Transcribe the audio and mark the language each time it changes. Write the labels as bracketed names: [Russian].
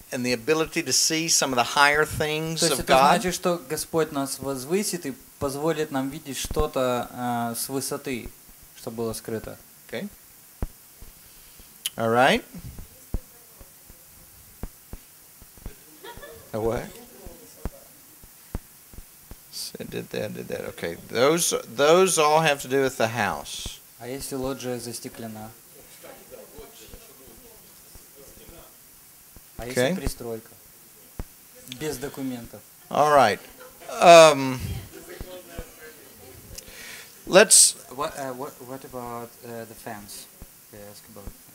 [English] And the ability to see some of the higher things of God. [Russian] То есть это значит, что Господь нас возвысит и позволит нам видеть что-то с высоты, что было скрыто. [English] Okay. All right. A what? So did that. Okay. Those all have to do with the house. [Russian] А если лоджия застеклена? А если пристройка? Без документов. [English] All right. Let's... What about the fence? They ask about.